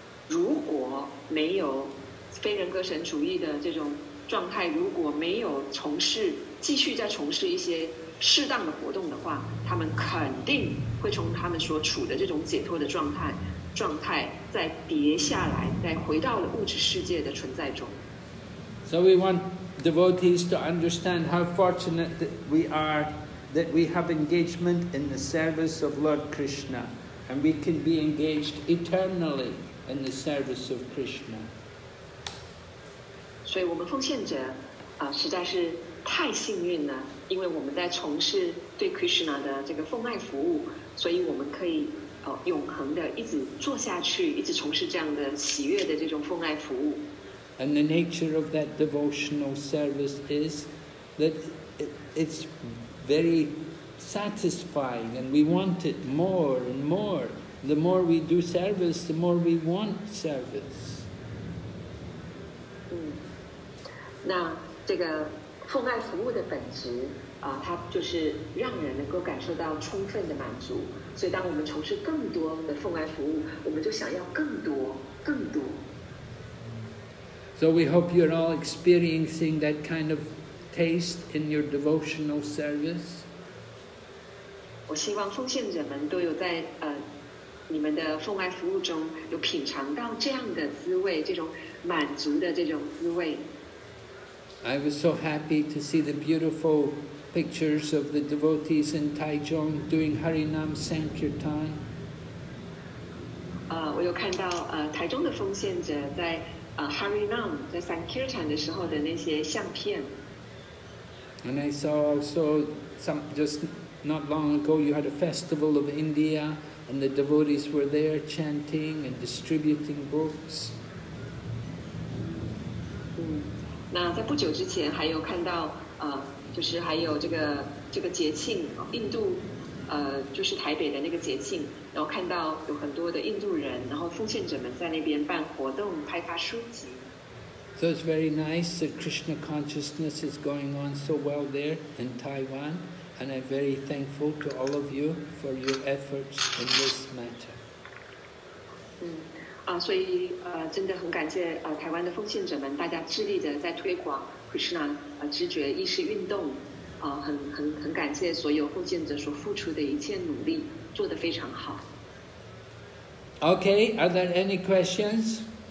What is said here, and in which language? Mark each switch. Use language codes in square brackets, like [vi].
[zh] 如果没有非人格神主义的这种状态，如果没有从事继续再从事一些适当的活动的话，他们肯定会从他们所处的这种解脱的状态再跌下来，再回到了物质世界的存在中。 [en] So we want devotees to understand how fortunate that we are that we have engagement in the service of Lord Krishna, and we can be engaged eternally in the service of Krishna. [zh] 所以我们奉献者实在是太幸运了，因为我们在从事对 Krishna 的这个奉爱服务，所以我们可以。永恒的一直做下去，一直从事这样的喜悦的这种奉爱服务。 [en] And the nature of that devotional service is that it's very satisfying, and we want it more and more. The more we do service, the more we want service. [zh] 那这个奉爱服务的本质它就是让人能够感受到充分的满足。所以当我们从事更多的奉爱服务，我们就想要更多更多。 [en] So we hope you're all experiencing that kind of taste in your devotional service. [zh] 我希望奉献者们都有在你们的奉爱服务中有品尝到这样的滋味，这种满足的这种滋味。 [en] I was so happy to see the beautiful pictures of the devotees in Taichung doing Harinam Sankirtan. [zh] 我有看到台中的奉献者在Harinam 在 Sankirtan 的时候的那些相片。 [en] And I saw also some just not long ago you had a festival of India and the devotees were there chanting and distributing books. [zh] 那在不久之前还有看到就是还有这个节庆印度就是台北的那个节庆，然后看到有很多的印度人，然后奉献者们在那边办活动，派发书籍。 [en] So it's very nice that Krishna consciousness is going on so well there in Taiwan, and I'm very thankful to all of you for your efforts in this matter. [zh] 所以真的很感谢台湾的奉献者们，大家致力的在推广 Krishna 知觉意识运动。很感谢所有奉献者所付出的一切努力，做得非常好。 [en] Okay, are there any questions?